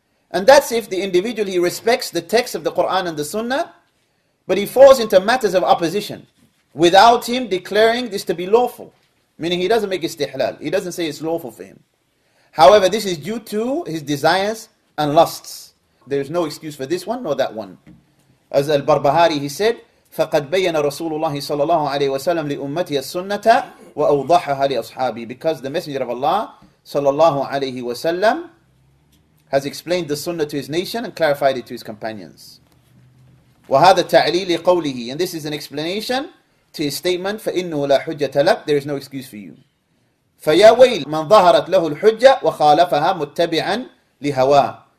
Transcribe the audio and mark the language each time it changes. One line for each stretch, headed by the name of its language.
English: And that's if the individual, he respects the text of the Quran and the Sunnah, but he falls into matters of opposition without him declaring this to be lawful. Meaning he doesn't make istihlal. He doesn't say it's lawful for him. However, this is due to his desires and lusts. There is no excuse for this one nor that one. As Al-Barbahari, he said,
Arabic: فَقَدْ بَيَّنَ رَسُولُ اللَّهِ صَلَى اللَّهُ عَلَيْهِ وَسَلَمْ لِأُمَّتِيَ السُنَّةَ وَأَوْضَحَهَا لِأَصْحَابِي.
English: Because the Messenger of Allah
Arabic: صلى الله عليه وسلم
English: has explained the Sunnah to his nation and clarified it to his companions.
Arabic: وَهَذَا تَعْلِيلِ قَوْلِهِ.
English: And this is an explanation to his statement,
Arabic: فَإِنُّهُ لَا حُجَّةَ لَكْ.
English: There is no excuse for you.
Arabic: فَيَا وَيْلْ مَنْ ظَهَرَتْ لَهُ الْحُجَّةُ وَخَالَفَهَا مُتَّبِعًا لِهَوَاهُ.